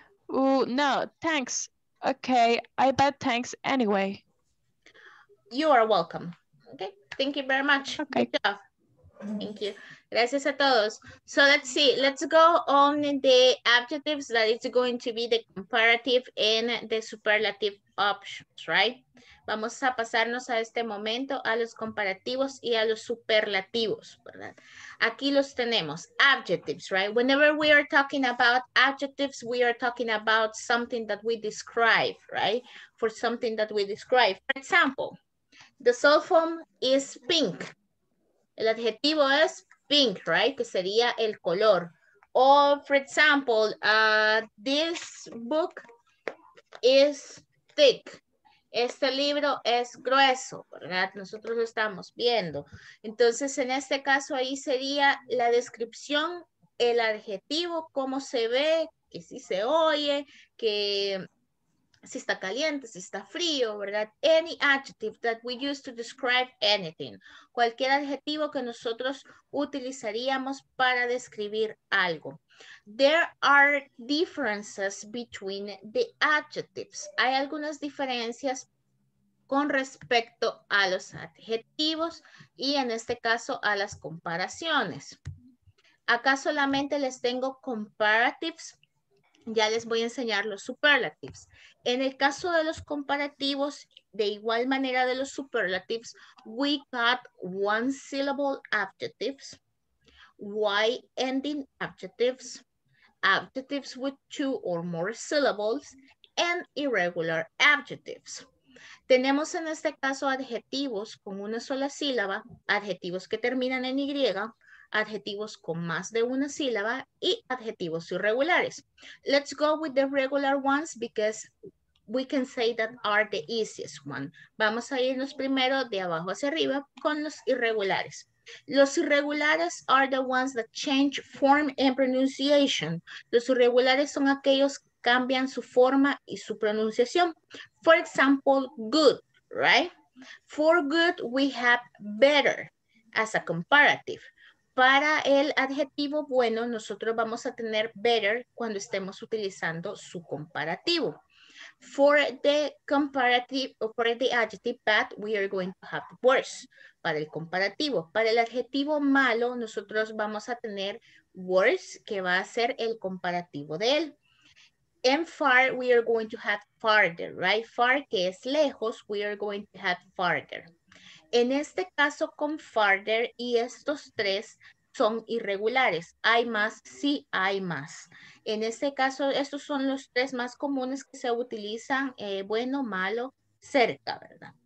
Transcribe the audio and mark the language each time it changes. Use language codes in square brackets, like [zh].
[en] Oh, no, thanks. Okay, I bet thanks anyway. You are welcome. Okay, thank you very much. Okay. Good job. Thank you. [es] Gracias a todos. [en] So let's see. Let's go on the adjectives that is going to be the comparative and the superlative options, right? [es] Vamos a pasarnos a este momento a los comparativos y a los superlativos, ¿verdad? Aquí los tenemos. [en] Adjectives, right? Whenever we are talking about adjectives, we are talking about something that we describe, right? For something that we describe. For example, the cell phone is pink. [es] El adjetivo es pink, right? Que sería el color. [en] O, for example, this book is thick. [es] Este libro es grueso, ¿verdad? Nosotros lo estamos viendo. Entonces, en este caso, ahí sería la descripción, el adjetivo, cómo se ve, que si se oye, que si está caliente, si está frío, ¿verdad? [en] Any adjective that we use to describe anything. [es] Cualquier adjetivo que nosotros utilizaríamos para describir algo. [en] There are differences between the adjectives. [es] Hay algunas diferencias con respecto a los adjetivos y en este caso a las comparaciones. Acá solamente les tengo comparatives. Ya les voy a enseñar los superlatives. En el caso de los [en] comparativos, de igual manera de los superlatives, we got one syllable adjectives, Y ending adjectives, adjectives with two or more syllables, and irregular adjectives. [es] Tenemos en este caso adjetivos con una sola sílaba, adjetivos que terminan en Y, adjetivos con más de una sílaba y adjetivos irregulares. [en] Let's go with the regular ones because we can say that are the easiest one. [es] Vamos a irnos primero de abajo hacia arriba con los irregulares. Los irregulares [en] are the ones that change form and pronunciation. [es] Los irregulares son aquellos que cambian su forma y su pronunciación. [en] For example, good, right? For good, we have better as a comparative. [es] Para el adjetivo bueno, nosotros vamos a tener better cuando estemos utilizando su comparativo. [en] For the comparative, or for the adjective bad, we are going to have worse. [es] Para el comparativo. Para el adjetivo malo, nosotros vamos a tener worse, que va a ser el comparativo de él. [en] And far, we are going to have farther, right? Far, [es] que es lejos, [en] we are going to have farther. [es] En este caso, con farther y estos tres son irregulares. Hay más, sí, hay más. En este caso, estos son los tres más comunes que se utilizan, bueno, malo, cerca, ¿verdad?